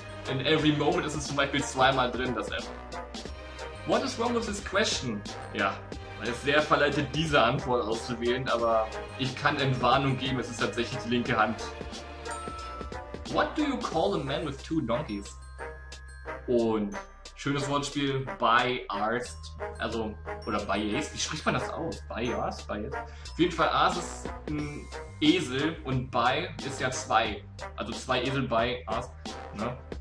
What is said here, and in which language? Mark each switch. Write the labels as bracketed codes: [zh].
[de] In every moment ist es zum Beispiel zweimal drin, das M. [en] What is wrong with this question? [de] Ja. Man ist sehr verleitet, diese Antwort auszuwählen, aber ich kann Entwarnung geben, es ist tatsächlich die linke Hand. [en] What do you call a man with two donkeys? [de] Und schönes Wortspiel, Bayarst, also, oder Bayarst, wie spricht man das aus? Bayarst, Bayarst? Auf jeden Fall, Ars ist ein Esel und Bay ist ja zwei, also zwei Esel, Bayarst, ne?